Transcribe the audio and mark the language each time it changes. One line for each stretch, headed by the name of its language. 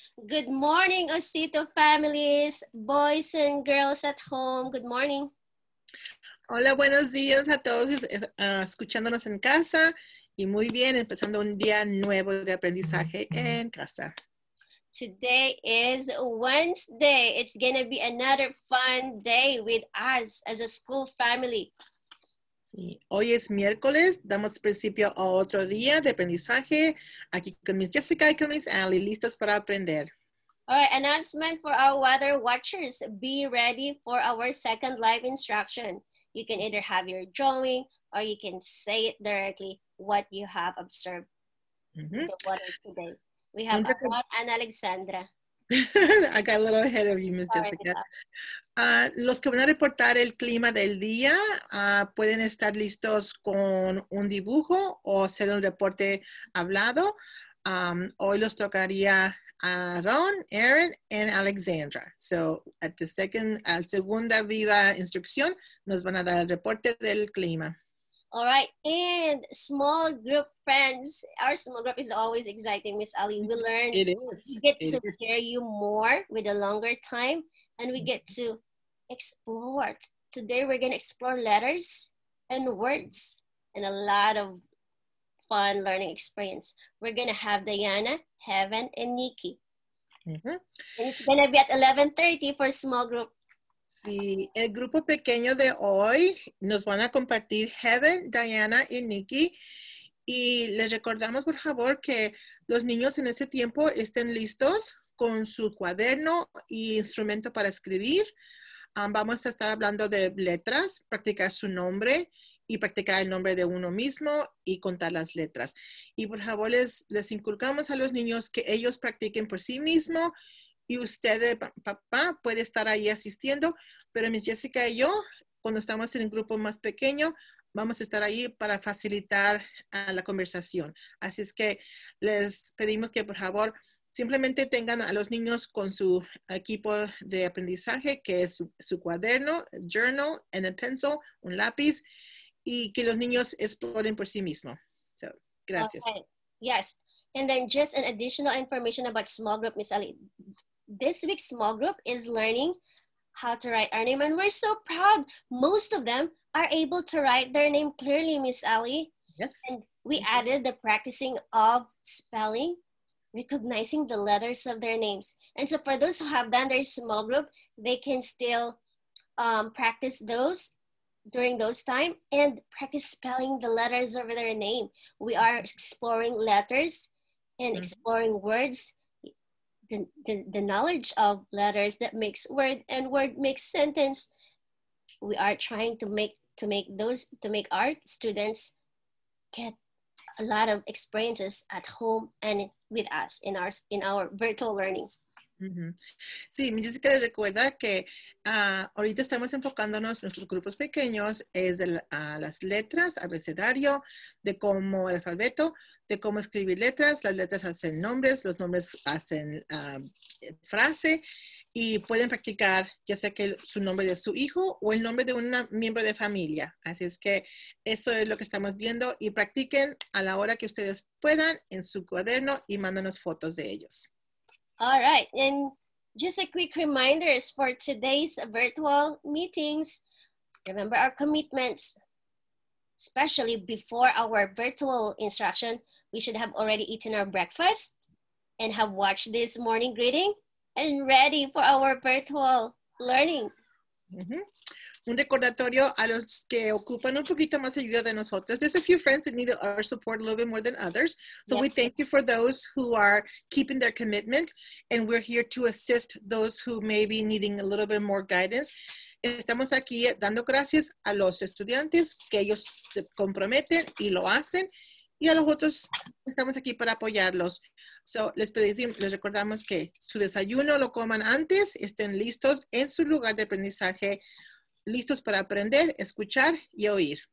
English: Good morning, Osito families, boys and girls at home. Good morning.
Spanish: Hola, buenos días a todos escuchándonos en casa y muy bien, empezando un día nuevo de aprendizaje en casa.
English: Today is Wednesday. It's going to be another fun day with us as a school family.
Spanish: Sí. Hoy es miércoles. Damos principio a otro día de aprendizaje. Aquí con Miss Jessica y con Miss Ali, listos para aprender.
English: All right, announcement for our weather watchers. Be ready for our second live instruction. You can either have your drawing or you can say it directly what you have observed in the weather today. We have Juan and Alexandra. I got a little ahead of you, Miss Jessica.
Spanish: Los que van a reportar el clima del día pueden estar listos con un dibujo o hacer un reporte hablado. Hoy los tocaría a Ron, Aaron, and Alexandra.
English: So at the second,
Spanish: al segunda viva instrucción, nos van a dar el reporte del clima.
English: All right, and small group friends. Our small group is always exciting, Miss Ali. We learn, it is. We get it to is. Hear you more with a longer time, and we get to explore. Today, we're gonna explore letters and words and a lot of fun learning experience. We're gonna have Diana, Heaven, and Nikki. Mm-hmm. And it's gonna be at 11:30 for small group.
Spanish: Sí, el grupo pequeño de hoy nos van a compartir Heaven, Diana y Nikki. Y les recordamos, por favor, que los niños en ese tiempo estén listos con su cuaderno e instrumento para escribir. Vamos a estar hablando de letras, practicar su nombre y practicar el nombre de uno mismo y contar las letras. Y por favor, les inculcamos a los niños que ellos practiquen por sí mismos. Y usted, papá, puede estar ahí asistiendo, pero Miss Jessica y yo, cuando estamos en un grupo más pequeño, vamos a estar ahí para facilitar la conversación. Así es que les pedimos que, por favor, simplemente tengan a los niños con su equipo de aprendizaje, que es su cuaderno,
English: journal, and a pencil,
Spanish: un lápiz, y que los niños exploren por sí mismos. So, gracias.
English: Okay. Yes. And then just an additional information about small group, Miss Ali. This week's small group is learning how to write our name, and we're so proud. Most of them are able to write their name clearly, Miss Ali. Yes. And we added the practicing of spelling, recognizing the letters of their names. And so for those who have done their small group, they can still practice those during those time and practice spelling the letters of their name. We are exploring letters and exploring words, the knowledge of letters that makes word and word makes sentence. We are trying to make our students get a lot of experiences at home and with us in our virtual learning. Mm-hmm.
Spanish: Sí, Jessica, recuerda que ahorita estamos enfocándonos en nuestros grupos pequeños, es las letras, abecedario, de cómo el alfabeto, de cómo escribir letras, las letras hacen nombres, los nombres hacen frase, y pueden practicar ya sea que su nombre de su hijo o el nombre de un miembro de familia. Así es que eso es lo que estamos viendo, y practiquen a la hora que ustedes puedan en su cuaderno y mándanos fotos de ellos.
English: All right, and just a quick reminders for today's virtual meetings. Remember our commitments, especially before our virtual instruction. We should have already eaten our breakfast and have watched this morning greeting and ready for our virtual learning. Mm-hmm.
Spanish: Un recordatorio a los que ocupan un poquito más ayuda de nosotros.
English: There's a few friends that need our support a little bit more than others. So yes. We thank you for those who are keeping their commitment. And we're here to assist those who may be needing a little bit more guidance.
Spanish: Estamos aquí dando gracias a los estudiantes que ellos se comprometen y lo hacen. Y a los otros, estamos aquí para apoyarlos. So, les recordamos que su desayuno lo coman antes, estén listos en su lugar de aprendizaje, listos para aprender, escuchar y oír.